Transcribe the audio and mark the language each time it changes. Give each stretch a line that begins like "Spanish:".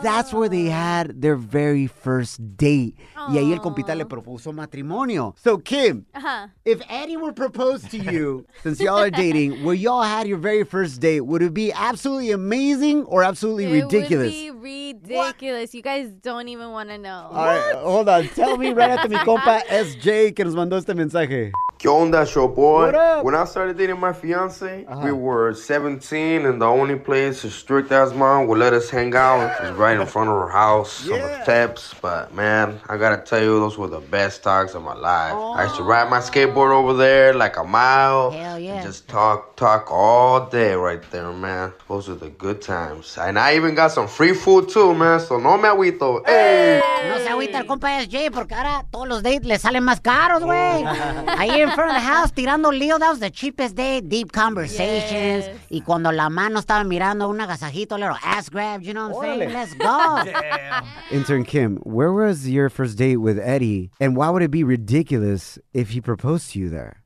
English: That's where they had their very first date. Aww.
Spanish: Y ahí el compita le propuso matrimonio.
English: So, Kim, if Eddie were proposed to you, since y'all are dating, where y'all had your very first date, would it be absolutely amazing or absolutely it ridiculous? It would be ridiculous. What? You guys don't even want to know. All right, hold on. Tell me right after
Spanish: mi compa SJ que nos mandó este mensaje. ¿Qué onda, show boy?
English: What up? When I started dating my fiance, we were 17, and the only place as strict as mom would let us hang out was right in front of her house on the steps. But man, I gotta tell you, those were the best talks of my life. Oh. I used to ride my skateboard over there like a mile. Hell yeah. And just talk all day right there, man. Those were the good times. And I even got some free food too, man.
Spanish: So no me agüito.
English: Hey!
Spanish: No se agüita el compa SJ porque ahora todos los dates le salen más caros, güey. Ahí en
English: front of the house,
Spanish: tirando lío,
English: that was the cheapest date. Deep conversations. Yes.
Spanish: Y cuando la mano estaba mirando un agasajito,
English: a little ass grab, you know what I'm
Spanish: Orale.
English: Saying? Let's go. Damn. Intern Kim, where was your first date with Eddie? And why would it be ridiculous if he proposed to you there?